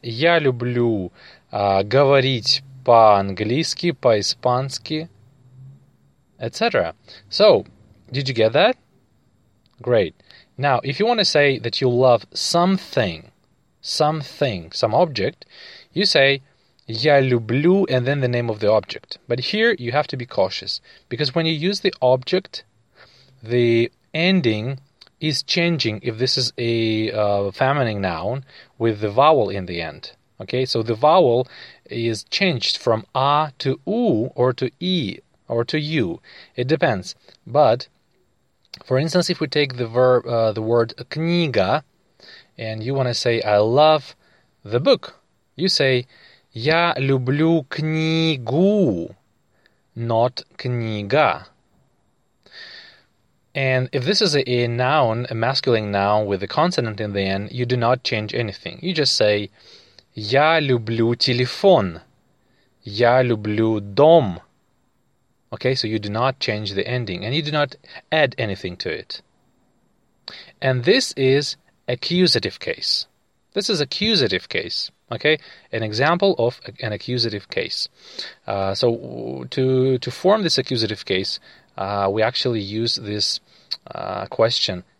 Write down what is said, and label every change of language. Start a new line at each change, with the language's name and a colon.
Russian: Я люблю говорить по-английски, по-испански, etc.
English: So, did you get that? Great. Now, if you want to say that you love something, some object, you say
Russian: я люблю,
English: and then the name of the object. But here, you have to be cautious. Because when you use the object, the ending is changing if this is a feminine noun with the vowel in the end. Okay, so the vowel is changed from A to U or to E or to U. It depends. But, for instance, if we take the verb, the word книга, and you want to say, I love the book, you say
Russian: я люблю книгу,
English: not книга. And if this is a noun, a masculine noun with a consonant in the end, you do not change anything. You just say
Russian: я люблю телефон, я люблю дом.
English: Okay, so you do not change the ending and you do not add anything to it. And this is accusative case. This is accusative case. Okay, an example of an accusative case. So to form this accusative case, we actually use this question.